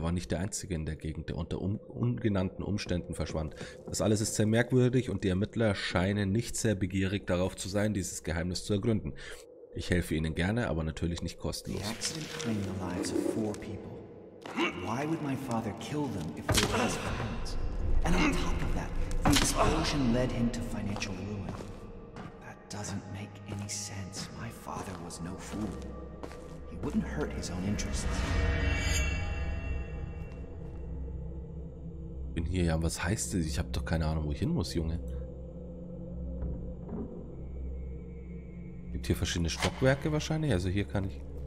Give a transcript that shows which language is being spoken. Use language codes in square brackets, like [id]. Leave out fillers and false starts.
[de] Er war nicht der Einzige in der Gegend, der unter ungenannten Umständen verschwand. Das alles ist sehr merkwürdig und die Ermittler scheinen nicht sehr begierig darauf zu sein, dieses Geheimnis zu ergründen. Ich helfe ihnen gerne, aber natürlich nicht kostenlos. [en] Der Accident claimed the lives of 4 people. Why would my father kill them if they were his friends? And on top of that, the explosion led him to financial ruin. That doesn't make any sense. My father was no fool. He wouldn't hurt his own interests. [de] Bin hier, ja, was heißt das? Ich hab doch keine Ahnung, wo ich hin muss, Junge. Gibt hier verschiedene Stockwerke wahrscheinlich, also hier kann ich.